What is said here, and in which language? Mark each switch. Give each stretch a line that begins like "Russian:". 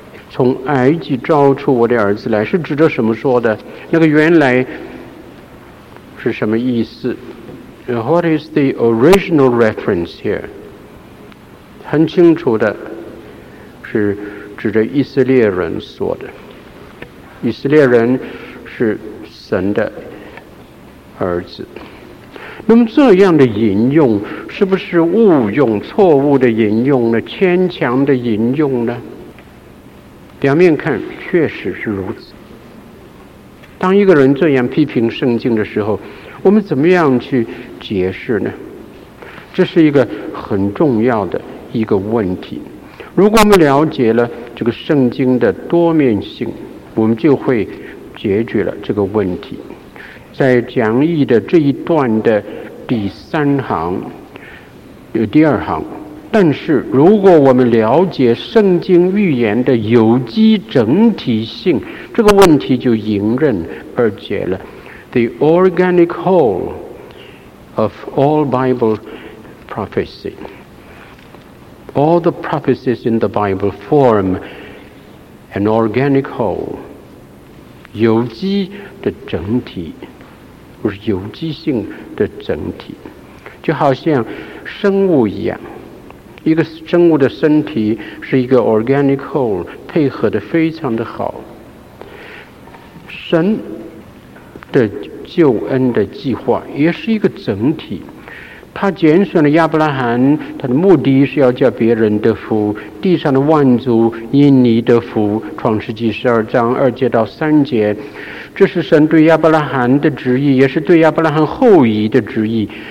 Chinese: 从埃及召出我的儿子来是指着什么说的？那个原来是什么意思？
English: What is the original reference here?
Chinese: 很清楚的是指着以色列人说的，以色列人是神的儿子。那么这样的引用是不是误用，错误的引用呢？牵强的引用呢？表面看确实是如此。当一个人这样批评圣经的时候，我们怎么样去解释呢？这是一个很重要的一个问题。如果我们了解了这个圣经的多面性，我们就会解决了这个问题。在讲义的这一段的第三行，第二行，但是如果我们了解圣经预言的有机整体性，这个问题就迎刃而解了。
English: The organic whole of all Bible prophecy, all the prophecies in the Bible form an organic whole,
Chinese: 有机的整体，不是有机性的整体，就好像生物一样，一个生物的身体是一个 organic whole, 配合得非常的好。神的救恩的计划也是一个整体，他拣选了亚伯拉罕，他的目的是要叫别人得福，地上的万族因你得福，创世纪十二章二节到三节，这是神对亚伯拉罕的旨意，也是对亚伯拉罕后裔的旨意。